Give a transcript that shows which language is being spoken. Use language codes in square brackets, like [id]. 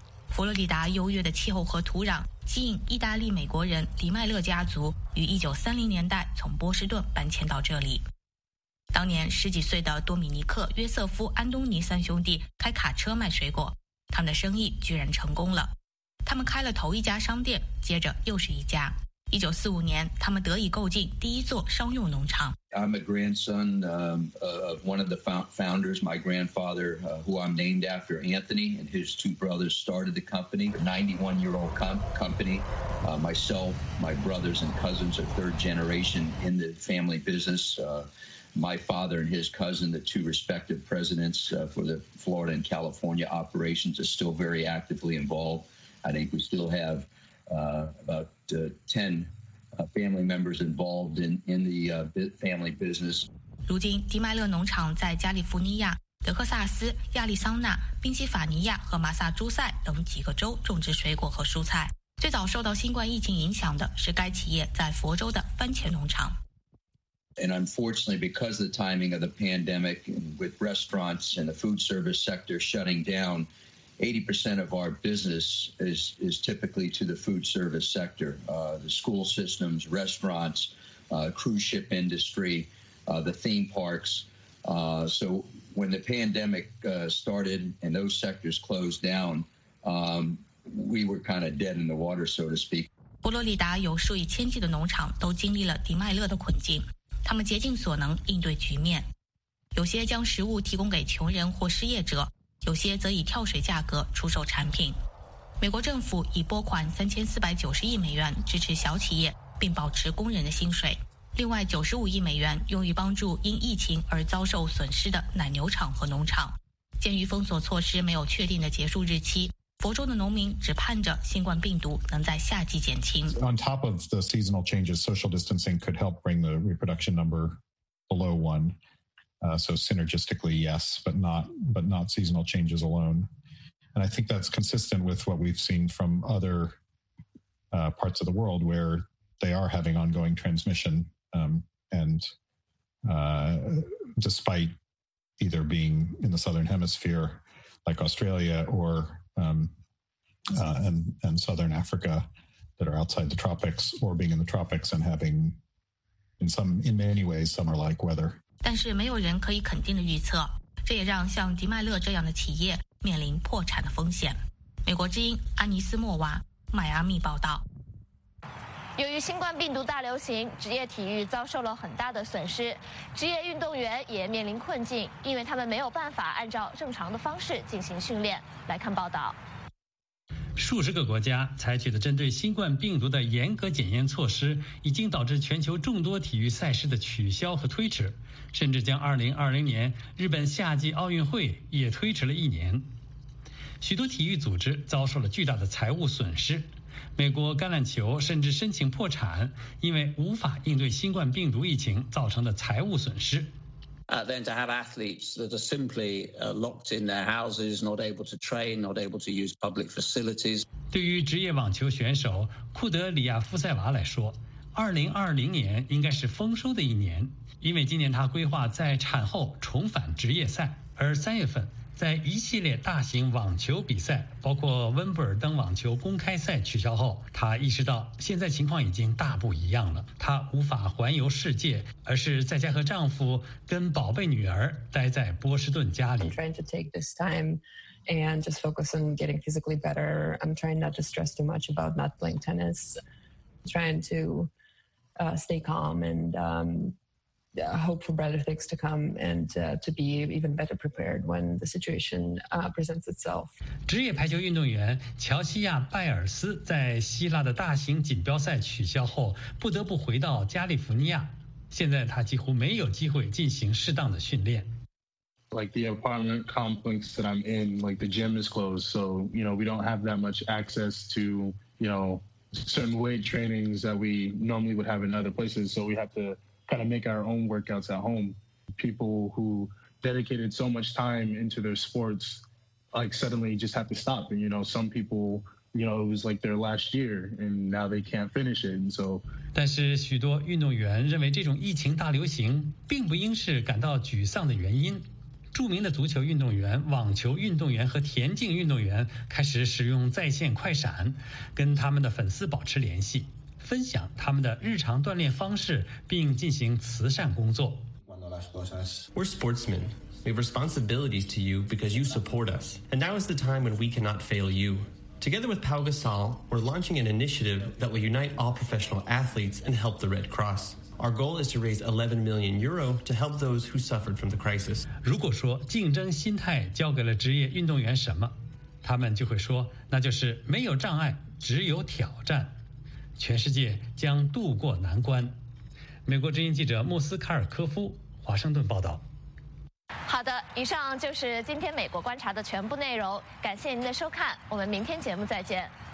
[zh] 佛罗里达优越的气候和土壤吸引意大利美国人黎麦勒家族于1930年代从波士顿搬迁到这里。当年十几岁的多米尼克、约瑟夫、安东尼三兄弟开卡车卖水果，他们的生意居然成功了。他们开了头一家商店，接着又是一家。1945年，他们得以购进第一座商用农场。 [en] I'm a grandson of one of the founders. My grandfather, who I'm named after, Anthony, and his two brothers started the company, a 91-year-old company. Myself, my brothers and cousins are third generation in the family business. My father and his cousin, the two respective presidents for the Florida and California operations, are still very actively involved. I think we still have about 10 family members involved in the family business. [zh] 如今，迪麦勒农场在加利福尼亚德克萨斯、亚利桑那、宾夕法尼亚和马萨诸塞等几个州种植水果和蔬菜。最早受到新冠疫情影响的是该企业在佛州的番茄农场。 [en] And unfortunately, because of the timing of the pandemic, with restaurants and the food service sector shutting down, 80% of our business is typically to the food service sector, the school systems, restaurants, cruise ship industry, the theme parks. So when the pandemic started and those sectors closed down, we were kind of dead in the water, so to speak. [zh] 佛罗里达有数以千计的农场都经历了迪麦勒的困境。他们竭尽所能应对局面，有些将食物提供给穷人或失业者，有些则以跳水价格出售产品。美国政府已拨款3490亿美元支持小企业，并保持工人的薪水。另外95亿美元用于帮助因疫情而遭受损失的奶牛场和农场。鉴于封锁措施没有确定的结束日期，佛州的农民只盼着新冠病毒能在夏季减轻。 [en] On top of the seasonal changes, social distancing could help bring the reproduction number below one. So synergistically, yes, but not seasonal changes alone. And I think that's consistent with what we've seen from other parts of the world where they are having ongoing transmission. Despite either being in the southern hemisphere, like Australia or and southern Africa that are outside the tropics or being in the tropics and having in many ways summer-like weather. [zh] 但是没有人可以肯定的预测，这也让像迪麦勒这样的企业面临破产的风险。美国之音安妮斯莫娃，迈阿密报道。由于新冠病毒大流行，职业体育遭受了很大的损失，职业运动员也面临困境，因为他们没有办法按照正常的方式进行训练。来看报道。数十个国家采取的针对新冠病毒的严格检验措施，已经导致全球众多体育赛事的取消和推迟，甚至将2020年日本夏季奥运会也推迟了一年。许多体育组织遭受了巨大的财务损失，美国橄榄球甚至申请破产，因为无法应对新冠病毒疫情造成的财务损失。 [en] Then to have athletes that are simply locked in their houses, not able to train, not able to use public facilities. [zh] 对于职业网球选手库德里亚夫塞娃来说，2020年应该是丰收的一年，因为今年他规划在产后重返职业赛，而三月份在一系列大型网球比赛，包括温布尔登网球公开赛取消后，他意识到现在情况已经大不一样了。他无法环游世界，而是在家和丈夫跟宝贝女儿待在波士顿家里。 [en] I'm trying to take this time and just focus on getting physically better. I'm trying not to stress too much about not playing tennis. Trying to stay calm and hope for better things to come and to be even better prepared when the situation presents itself. [zh] 职业排球运动员乔西亚·拜尔斯在希腊的大型锦标赛取消后，不得不回到加利福尼亚。现在他几乎没有机会进行适当的训练。 [en] Like the apartment complex that I'm in, like the gym is closed, so you know we don't have that much access to you know certain weight trainings that we normally would have in other places, so we have to. Kind of make our own workouts at home. People who dedicated so much time into their sports, like suddenly just have to stop. And you know, some people, you know, it was like their last year, and now they can't finish it. And so, [zh] 但是许多运动员认为这种疫情大流行并不应是感到沮丧的原因。著名的足球运动员、网球运动员和田径运动员开始使用在线快闪，跟他们的粉丝保持联系。分享他们的日常锻炼方式，并进行慈善工作。 [en] We're sportsmen. We have responsibilities to you because you support us. And now is the time when we cannot fail you. Together with Pau Gasol, we're launching an initiative that will unite all professional athletes and help the Red Cross. Our goal is to raise 11 million euro to help those who suffered from the crisis. [zh] 如果说竞争心态教给了职业运动员什么，他们就会说，那就是没有障碍，只有挑战。全世界将渡过难关。美国之音记者穆斯卡尔科夫，华盛顿报道。好的，以上就是今天美国观察的全部内容，感谢您的收看，我们明天节目再见。